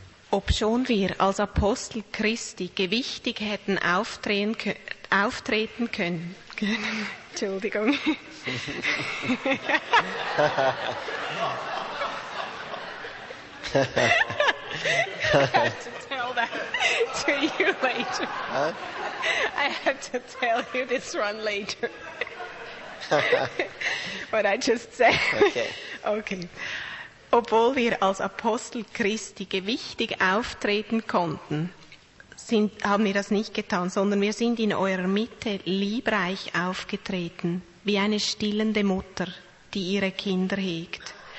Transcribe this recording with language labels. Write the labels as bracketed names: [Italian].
[German] Obschon wir als Apostel Christi gewichtig hätten auftreten können. Entschuldigung. [English] I have to tell that to you later. Huh? I have to tell you this one later. What I just said. Okay. [German] Obwohl wir als Apostel Christi gewichtig auftreten konnten, haben wir das nicht getan, sondern wir sind in eurer Mitte liebreich aufgetreten, wie eine stillende Mutter, die ihre Kinder hegt.